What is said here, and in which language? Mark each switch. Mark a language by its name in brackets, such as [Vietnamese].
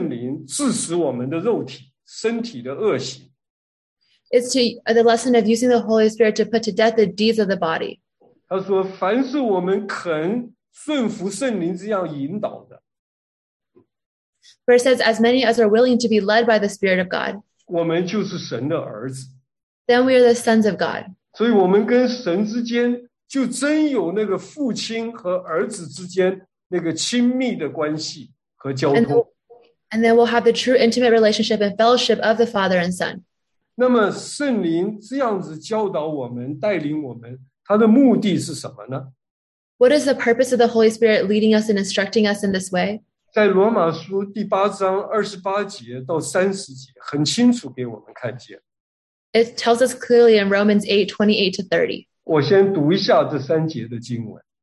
[Chinese] 叫我们靠着圣灵致死我们的肉体, 身体的恶习。 [English] It's to the lesson of using the Holy Spirit to put to death the deeds of the body. [Chinese] 他说, 凡是我们肯顺服圣灵这样引导的, [English] For it says, as many as are willing to be led by the Spirit of God, [Chinese] 我们就是神的儿子, [English] then we are the sons of God. [Chinese] 所以我们跟神之间就真有那个父亲和儿子之间那个亲密的关系和交通。 [English] And then we'll have the true intimate relationship and fellowship of the Father and Son. [Chinese] 那么圣灵这样子教导我们,带领我们,他的目的是什么呢? [English] What is the purpose of the Holy Spirit leading us and instructing us in this way? [Chinese] 在罗马书第八章28节到30节,很清楚给我们看见。 [English] It tells us clearly in Romans 8, 28 to 30. [Chinese] 我先读一下这三节的经文。